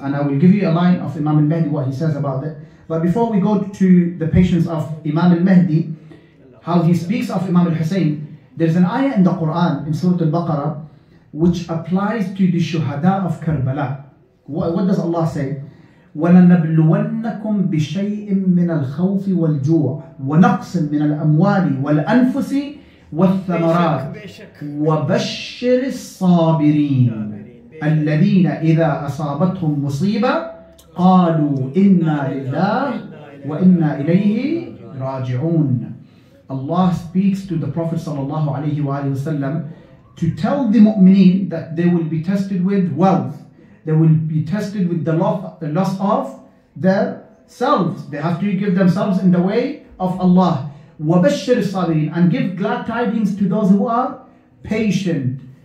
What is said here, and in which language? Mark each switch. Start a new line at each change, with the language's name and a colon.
English: And I will give you a line of Imam al-Mahdi, what he says about it. But before we go to the patience of Imam al-Mahdi, how he speaks of Imam al-Hussein, there's an ayah in the Quran, in Surah Al-Baqarah, which applies to the shuhada of Karbala. What does Allah say?
Arabic: وَلَنَبْلُوَنَّكُمْ بِشَيْءٍ مِّنَ الْخَوْفِ وَالْجُوعِ وَنَقْصٍ مِّنَ الْأَمْوَالِ وَالْأَنفُسِ والثمرات وبشر الصابرين الذين إذا أصابتهم مصيبة قالوا إنا لله وإنا إليه راجعون.
English: Allah speaks to the Prophet sallallahu alayhi wa sallam to tell the mu'mineen that they will be tested with wealth, they will be tested with the loss of their themselves. They have to give themselves in the way of Allah.
Arabic: وَبَشِّرْ الصَّابِرِينَ,
English: and give glad tidings to those who are patient.